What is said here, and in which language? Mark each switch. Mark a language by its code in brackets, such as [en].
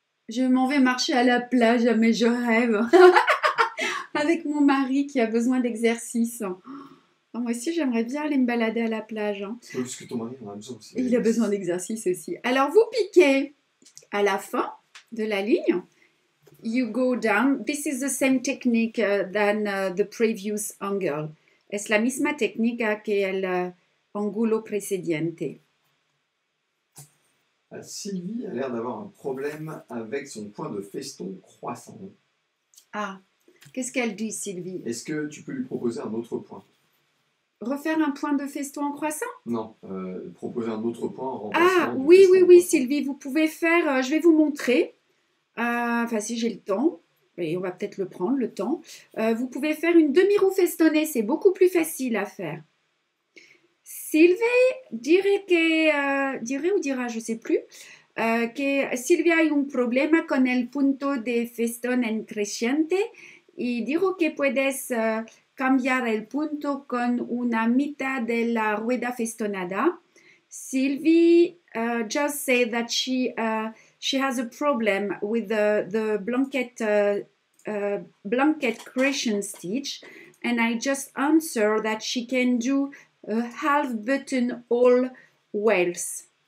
[fr] Je m'en vais marcher à la plage, mais je rêve. Avec mon mari qui a besoin d'exercice. Moi aussi, j'aimerais bien aller me balader à la plage. Hein. Oui, parce que ton mari en a besoin aussi. Il a besoin d'exercice aussi. Alors, vous piquez à la fin de la ligne. [en] You go down. This is the same technique than the previous angle. [es] Es la misma técnica que el angulo precediente. [fr] Sylvie a l'air d'avoir un problème avec son point de feston croissant. Ah, qu'est-ce qu'elle dit, Sylvie? Est-ce que tu peux lui proposer un autre point? Refaire un point de feston en croissant? Non, proposer un autre point en remplaçant. Ah oui, oui, oui, Sylvie, vous pouvez faire, je vais vous montrer, enfin si j'ai le temps, et on va peut-être le prendre, le temps, vous pouvez faire une demi-roue festonnée, c'est beaucoup plus facile à faire. Sylvie dirait que, dirait ou dira, je ne sais plus, que Sylvie a un problème [es] con el punto de feston en creciente, y dijo que puedes... cambiar el punto con una mitad de la rueda festonada. [en] Sylvie just said that she has a problem with the blanket blanket crescent stitch, and I just answer that she can do a half button all wells.